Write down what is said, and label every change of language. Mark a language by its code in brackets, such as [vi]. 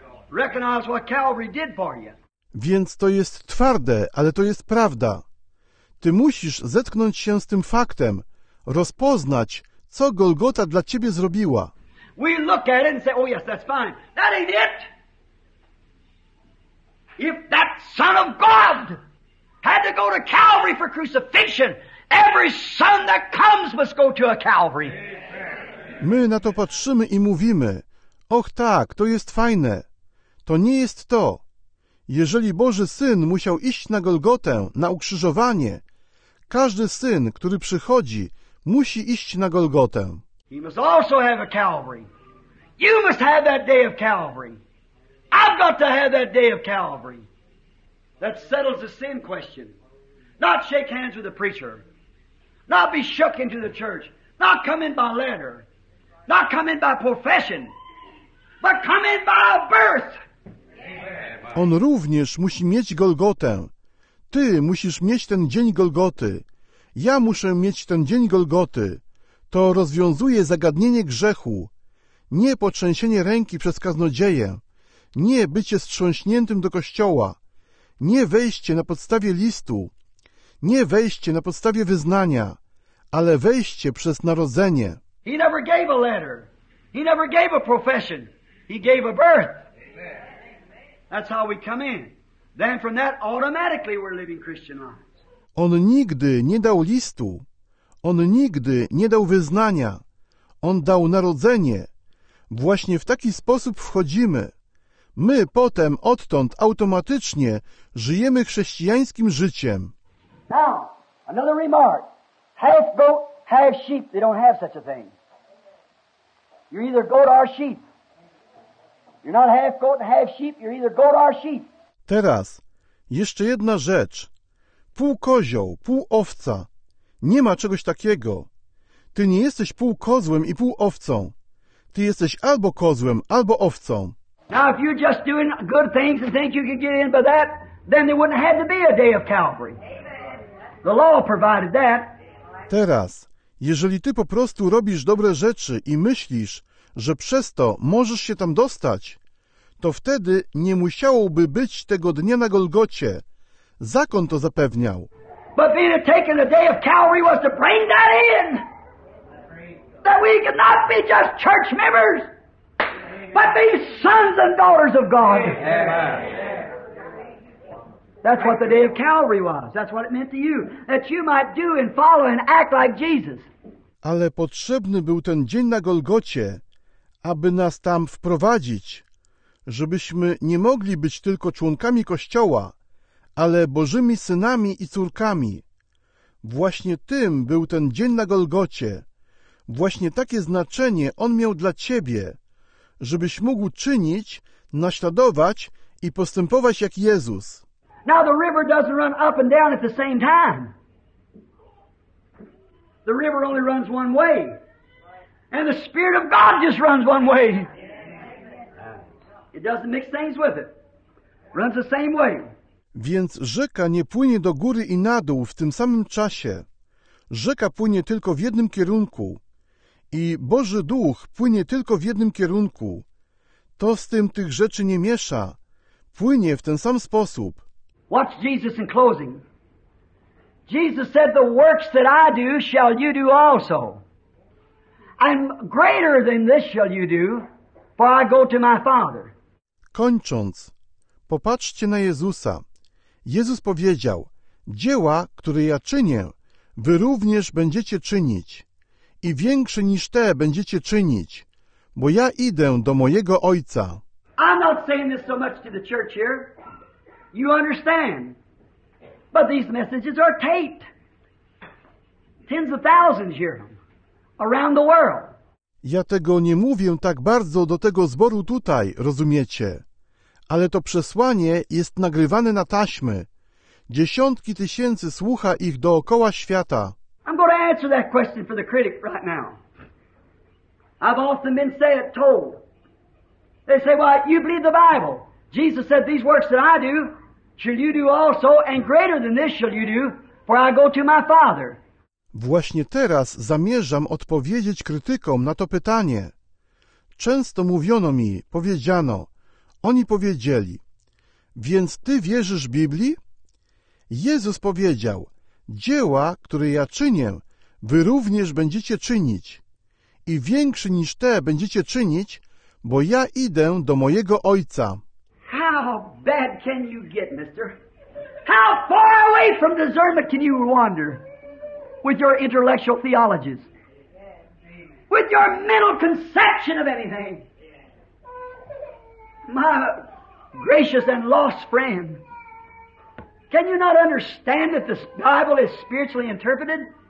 [en] Recognize what Calvary did for you. [pl] Więc to jest twarde, ale to jest prawda. Ty musisz zetknąć się z tym faktem, rozpoznać, co Golgota dla ciebie zrobiła. [en] We look at it and say, oh yes, that's fine. That ain't it. If that Son of God had to go to Calvary for crucifixion, every son that comes must go to a Calvary. [pl] My na to patrzymy i mówimy, och tak, to jest fajne. To nie jest to. Jeżeli Boży Syn musiał iść na Golgotę, na ukrzyżowanie, każdy syn, który przychodzi, musi iść na Golgotę. [en] He must also have a Calvary. You must have that day of Calvary. I've got to have that day of Calvary. That settles the sin question. Not shake hands with the preacher. Not be shook into the church. Not come in by letter. Not come in by profession, but come in by birth. [pl] On również musi mieć Golgotę. Ty musisz mieć ten dzień Golgoty. Ja muszę mieć ten dzień Golgoty. To rozwiązuje zagadnienie grzechu. Nie potrzęsienie ręki przez kaznodzieję. Nie bycie strząśniętym do kościoła. Nie wejście na podstawie listu. Nie wejście na podstawie wyznania. Ale wejście przez narodzenie. [en] He never gave a letter. He never gave a profession. He gave a birth. That's how we come in. Then from that automatically we're living Christian lives. [pl] On nigdy nie dał listu. On nigdy nie dał wyznania. On dał narodzenie. Właśnie w taki sposób wchodzimy. My potem, odtąd, automatycznie żyjemy chrześcijańskim życiem. [en] Now, another remark. Half goat, half sheep, they don't have such a thing. You're either goat or sheep. You're not half goat, half sheep, you're either goat or sheep. [pl] Teraz, jeszcze jedna rzecz. Pół kozioł, pół owca. Nie ma czegoś takiego. Ty nie jesteś pół kozłem i pół owcą. Ty jesteś albo kozłem, albo owcą. [en] Now if you're just doing good things and think you can get in by that, then there wouldn't have to be a day of Calvary. The law provided that. [pl] Teraz, jeżeli ty po prostu robisz dobre rzeczy i myślisz, że przez to możesz się tam dostać, to wtedy nie musiałoby być tego dnia na Golgocie. Zakon to zapewniał. [en] But being taken a day of Calvary was to bring that in. That we could not be just church members, but be sons and daughters of God. That's what the day of Calvary was. That's what it meant to you. That you might do and follow and act like Jesus. [pl] Ale potrzebny był ten dzień na Golgocie, aby nas tam wprowadzić, żebyśmy nie mogli być tylko członkami Kościoła, ale Bożymi synami i córkami. Właśnie tym był ten dzień na Golgocie. Właśnie takie znaczenie on miał dla ciebie, żebyś mógł czynić, naśladować i postępować jak Jezus. [en] Now the river doesn't run up and down at the same time. The river only runs one way. And the Spirit of God just runs one way. It doesn't mix things with it. Runs the same way. [pl] Więc rzeka nie płynie do góry i na dół w tym samym czasie. Rzeka płynie tylko w jednym kierunku. I Boży Duch płynie tylko w jednym kierunku. To z tym tych rzeczy nie miesza. Płynie w ten sam sposób. [en] Watch Jesus in closing. Jesus said, the works that I do shall you do also. And greater than this shall you do, for I go to my Father. [pl] Kończąc, popatrzcie na Jezusa. Jezus powiedział, dzieła, które ja czynię, wy również będziecie czynić. I większe niż te będziecie czynić, bo ja idę do mojego Ojca. [en] I'm not saying this so much to the church here. You understand. But these messages are taped. Tens of thousands hear them around the world. [pl] Ja tego nie mówię tak bardzo do tego zboru tutaj, rozumiecie? Ale to przesłanie jest nagrywane na taśmy. Dziesiątki tysięcy słucha ich dookoła świata. [en] I'm going to answer that question for the critic right now. I've often been said, told. They say, well, you believe the Bible. Jesus said, these works that I do, shall you do also, and greater than this shall you do, for I go to my Father. [pl] Właśnie teraz zamierzam odpowiedzieć krytykom na to pytanie. Często mówiono mi, powiedziano, oni powiedzieli, więc ty wierzysz Biblii? Jezus powiedział, dzieła, które ja czynię, wy również będziecie czynić. I większe niż te będziecie czynić, bo ja idę do mojego Ojca. [en] How bad can you get, mister? How far away from discernment can you wander? With your intellectual theologies. With your mental conception of anything. My gracious and lost friend, can you not understand that the Bible is spiritually interpreted?